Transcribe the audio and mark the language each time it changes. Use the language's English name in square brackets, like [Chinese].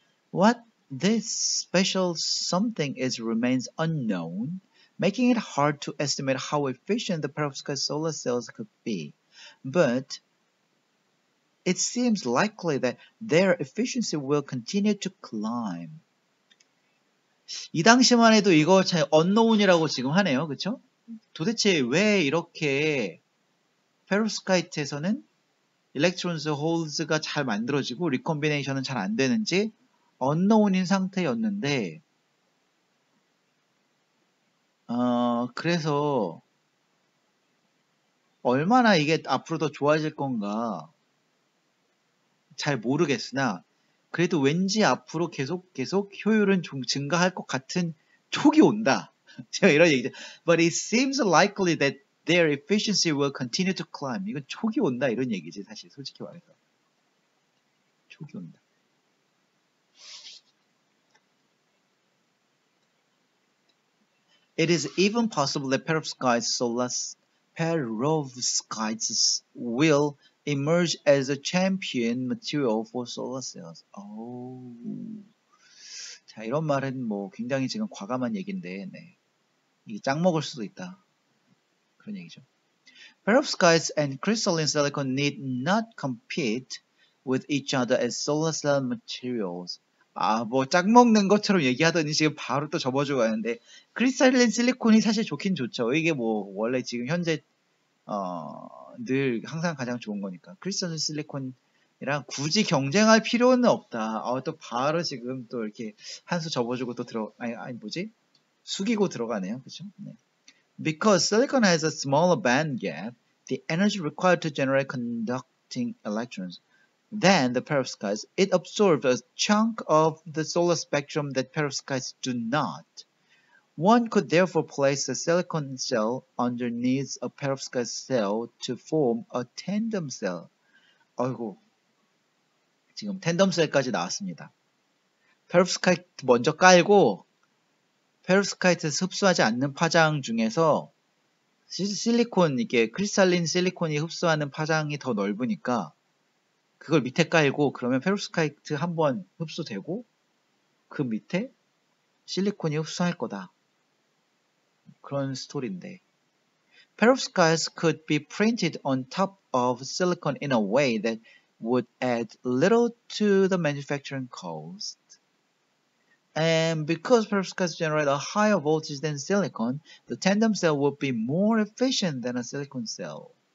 [English] What this special something is remains unknown, making it hard to estimate how efficient the perovskite solar cells could be. But it seems likely that their efficiency will continue to climb. [Korean] 이 당시만 해도 이거 잘 unknown이라고 지금 하네요, 그쵸? 도대체 왜 이렇게 페로스카이트에서는 일렉트론스 홀즈가 잘 만들어지고 리콤비네이션은 잘 안 되는지 언노운인 상태였는데 그래서 얼마나 이게 앞으로 더 좋아질 건가 잘 모르겠으나 그래도 왠지 앞으로 계속 효율은 좀 증가할 것 같은 촉이 온다. 제가 이런 얘기죠. [English] But it seems likely that their efficiency will continue to climb. [Korean] 이건 촉이 온다 이런 얘기지 사실 솔직히 말해서. 촉이 온다. [English] It is even possible that perovskites will emerge as a champion material for solar cells. 오, [Korean] 자, 이런 말은 뭐 굉장히 지금 과감한 얘기인데, 네. 이게 짱 먹을 수도 있다. 그런 얘기죠. [English] Perovskites and crystalline silicon need not compete with each other as solar cell materials. [Korean] 아, 뭐 짝 먹는 것처럼 얘기하더니 지금 바로 또 접어주고 가는데 크리스탈린 실리콘이 사실 좋긴 좋죠. 이게 뭐 원래 지금 현재 늘 항상 가장 좋은 거니까 크리스탈린 실리콘이랑 굳이 경쟁할 필요는 없다. 아, 또 바로 지금 또 이렇게 한수 접어주고 또 들어 아니 뭐지 숙이고 들어가네요. 그렇죠? 네. [English] Because silicon has a smaller band gap, the energy required to generate conducting electrons. Then the perovskites, it absorbs a chunk of the solar spectrum that perovskites do not. One could therefore place a silicon cell underneath a perovskite cell to form a tandem cell. [Korean] 아이고, 지금 tandem cell까지 나왔습니다. perovskite 먼저 깔고 perovskite에서 흡수하지 않는 파장 중에서 실리콘 이게 크리스탈린 실리콘이 흡수하는 파장이 더 넓으니까. 그걸 밑에 깔고 그러면 페롭스카이트 한번 흡수되고 그 밑에 실리콘이 흡수할 거다. 그런 스토리인데 [English] 페롭스카이트 could be printed on top of silicon in a way that would add little to the manufacturing cost. And because perovskites generate a higher voltage than silicon, the tandem cell would be more efficient than a silicon cell.